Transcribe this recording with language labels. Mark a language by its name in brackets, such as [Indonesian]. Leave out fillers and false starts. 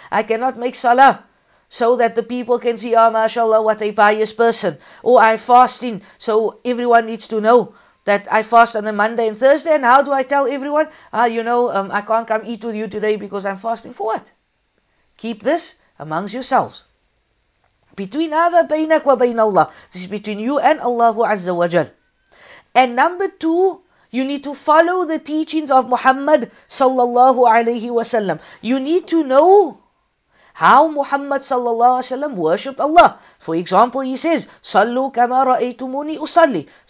[English] I cannot make salah so that the people can see, ah, mashallah, what a pious person. Or I fasting, so everyone needs to know that I fast on a Monday and Thursday, and how do I tell everyone? I can't come eat with you today because I'm fasting. For what? Keep this amongst yourselves. Between [Arabic] هذا بينك وبين الله. [English] This is between you and Allah Azza wa Jal. And number two, you need to follow the teachings of Muhammad sallallahu alayhi wa sallam. You need to know how Muhammad sallallahu alayhi wa sallam worshipped Allah. For example, he says, [Arabic] صَلُّوا كَمَا رَأَيْتُمُونِي أُصَلِّي.